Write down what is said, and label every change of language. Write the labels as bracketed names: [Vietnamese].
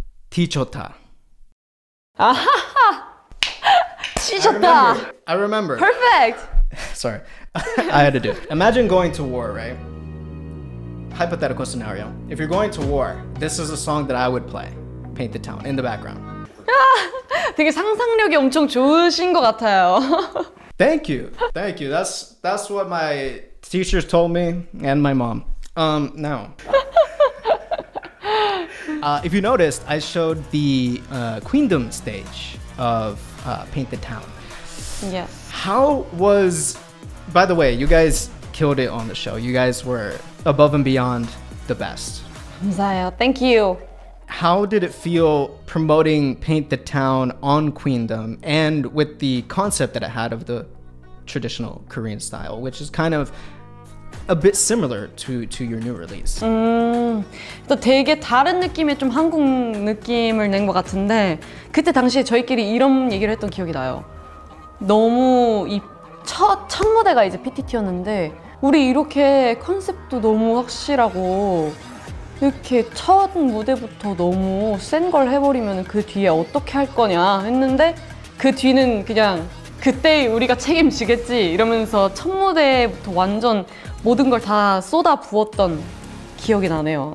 [Korean] 티쳤다. 아하하! 치쳤다! [English] I remember. Perfect! Sorry. I had to do it. Imagine going to war, right? Hypothetical scenario. If you're going to war, this is a song that I would play. Paint the Town, in the background. [Korean] 되게 상상력이 엄청 좋으신 것 같아요. [English] Thank you. Thank you. That's what my teachers told me and my mom. Now. If you noticed, I showed the Queendom stage of Paint the Town. Yes. How was... By the way, you guys killed it on the show. You guys were above and beyond the best. [Korean] 감사해요. [English] Thank you. How did it feel promoting Paint the Town on Queendom and with the concept that it had of the traditional Korean style, which is kind of... a bit similar to your new release. [Korean] 또 되게 다른 느낌의 좀 한국 느낌을 낸 것 같은데 그때 당시에 저희끼리 이런 얘기를 했던 기억이 나요. 너무 이 첫 무대가 이제 PTT였는데 우리 이렇게 컨셉도 너무 확실하고 이렇게 첫 무대부터 너무 센 걸 해버리면 그 뒤에 어떻게 할 거냐 했는데 그 뒤는 그냥 그때 우리가 책임지겠지 이러면서 첫 무대부터 완전 모든 걸 다 쏟아 부었던 기억이 나네요.